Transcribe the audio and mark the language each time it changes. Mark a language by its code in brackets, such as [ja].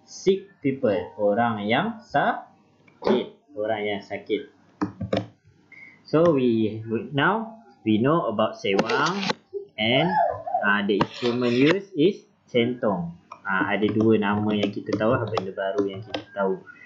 [en] Sick people, [id] orang yang sakit, orang yang sakit. [en] So we now we know about sewang and the instrument used is centong. [id] Ada dua nama yang kita tahu, benda baru yang kita tahu.